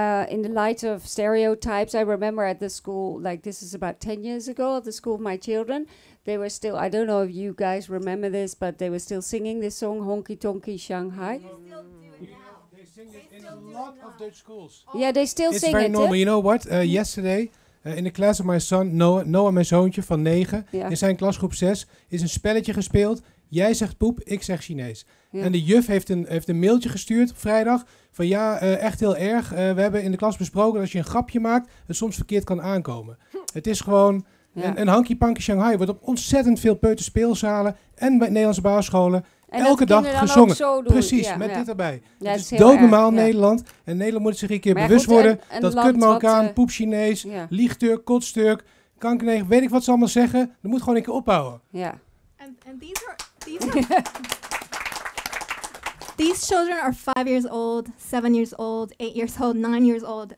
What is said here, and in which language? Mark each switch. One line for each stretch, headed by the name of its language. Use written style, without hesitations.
English: In the light of stereotypes, I remember at the school, like this is about 10 years ago, at the school of my children, they were still, I don't know if you guys remember this, but they were still singing this song, Honky Tonky Shanghai. They still do it now. They sing it in a lot of Dutch schools. Yeah, they still it's sing it. It's very normal. You know what? Yesterday, in the class of my son,
Dutch: Noah, mijn zoontje van 9, in zijn klasgroep 6, is een spelletje gespeeld. Jij zegt poep, ik zeg Chinees. Ja. En de juf heeft een mailtje gestuurd op vrijdag. Van ja, echt heel erg. We hebben in de klas besproken dat als je een grapje maakt, het soms verkeerd kan aankomen. Het is gewoon... Ja. En Hanky Panky Shanghai wordt op ontzettend veel peuterspeelzalen en bij Nederlandse basisscholen elke dag gezongen. Precies, met dit erbij. Ja, het is doodnormaal Nederland. En Nederland moet zich een keer bewust worden dat kutmarokkaan, poep Chinees, liegturk, kotsturk, kankerneger, weet ik wat ze allemaal zeggen. Dat moet gewoon een keer ophouden. Ja.
English: And these children are 5 years old, 7 years old, 8 years old, 9 years old.